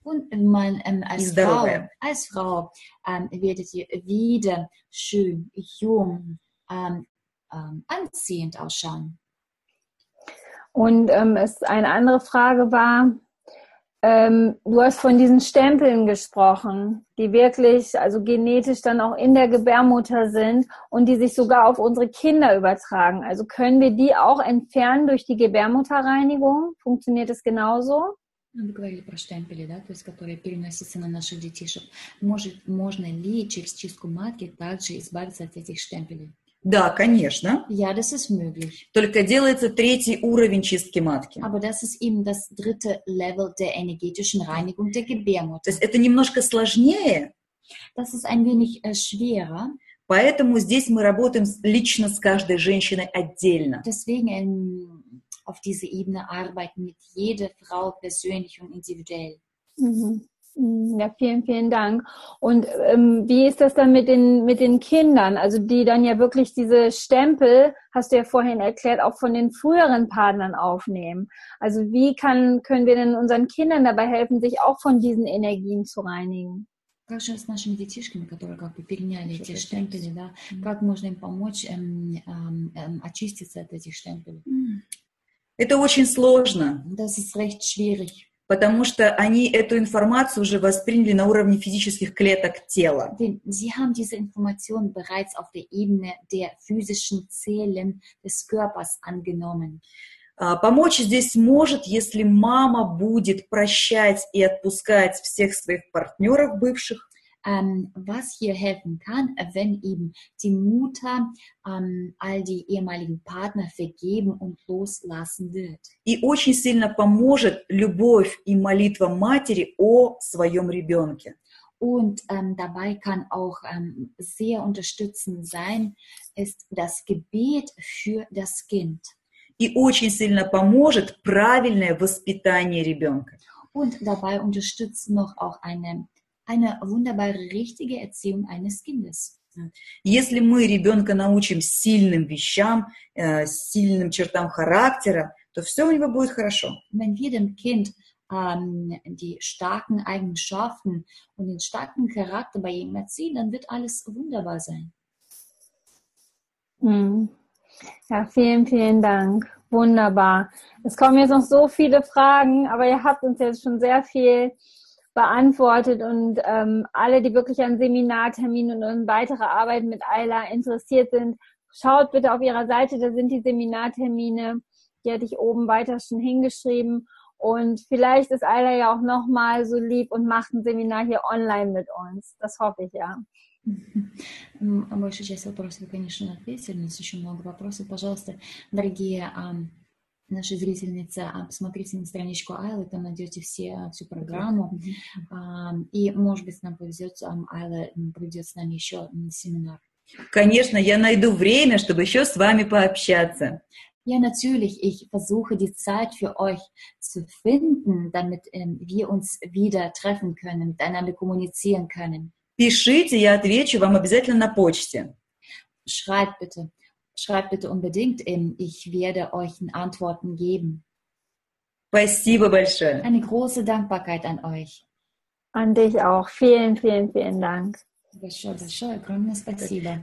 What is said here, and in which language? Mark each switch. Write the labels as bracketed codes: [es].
[de] Und man, als, и Frau, als Frau werdet ihr wieder schön, jung, anziehend ausschauen. Und es eine andere Frage war, du hast von diesen Stempeln gesprochen, die wirklich, also genetisch dann auch in der Gebärmutter sind und die sich sogar auf unsere Kinder übertragen. Also können wir die auch entfernen durch die Gebärmutterreinigung? Funktioniert das genauso? [ru] Вы говорили про штемпели, да, то есть которые переносятся на наших детишек. Может, можно ли через чистку матки также избавиться от этих штемпелей? Да, конечно. [de] Ja, das ist möglich. [ru] Только делается третий уровень чистки матки. [de] Aber das ist eben das dritte Level der energetischen Reinigung der Gebärmutter. [ru] То есть это немножко сложнее. [de] Das ist ein wenig schwerer. [ru] Поэтому здесь мы работаем лично с каждой женщиной отдельно. [de] Deswegen auf diese Ebene arbeiten mit jeder Frau persönlich und individuell. Ja, vielen, vielen Dank. Und wie ist das dann mit den Kindern? Also die dann ja wirklich diese Stempel, hast du ja vorhin erklärt, auch von den früheren Partnern aufnehmen. Also wie kann, können wir denn unseren Kindern dabei helfen, sich auch von diesen Energien zu reinigen? [ru] Как же с нашими детишками, которые как бы переняли эти штемпели, да? Как можно им помочь очиститься от этих штемпелей? Это очень сложно. [de] Das ist recht schwierig. [ru] Потому что они эту информацию уже восприняли на уровне физических клеток тела. [de] Sie haben diese Information bereits auf der Ebene der physischen Zellen des Körpers angenommen. [ru] Помочь здесь может, если мама будет прощать и отпускать всех своих партнеров бывших. [de] Was hier helfen kann, wenn eben die Mutter all die ehemaligen Partner vergeben und loslassen wird. [ru] И очень сильно поможет любовь и молитва матери о своем ребенке. [de] Und dabei kann auch sehr unterstützend sein, ist das Gebet für das Kind. [ru] И очень сильно поможет правильное воспитание ребенка. [de] Und dabei unterstützt noch auch eine wunderbare, richtige Erziehung eines Kindes. [ru] Если мы ребенка научим сильным вещам, сильным чертам характера, то все у него будет хорошо. [de] Wenn wir dem Kind die starken Eigenschaften und den starken Charakter bei ihm erziehen, dann wird alles wunderbar sein. Mm. Ja, vielen, vielen Dank. Wunderbar. Es kommen jetzt noch so viele Fragen, aber ihr habt uns jetzt schon sehr viel beantwortet und alle, die wirklich an Seminarterminen und weitere Arbeit mit Ayla interessiert sind, schaut bitte auf ihrer Seite, da sind die Seminartermine, die hatte ich oben weiter schon hingeschrieben und vielleicht ist Ayla ja auch nochmal so lieb und macht ein Seminar hier online mit uns. Das hoffe ich ja. [ru] Большую часть вопросов, конечно, ответили, но есть еще много вопросов. Пожалуйста, дорогие наши зрительницы, посмотрите на страничку Айлы, там найдете всю программу. И, может быть, нам повезет, Айла проведет с нами еще семинар. Конечно, я найду время, чтобы еще с вами пообщаться. [de] Ja, natürlich, ich versuche die Zeit für euch zu finden, damit wir uns wieder treffen können, miteinander kommunizieren können. [ru] Пишите, я отвечу вам обязательно на почте. [de] Schreibt bitte unbedingt, ich werde euch Antworten geben. [ru] Спасибо большое. [de] Eine große Dankbarkeit an euch. An dich auch. Vielen, vielen, vielen Dank. [ru] Большое, большое, огромное спасибо.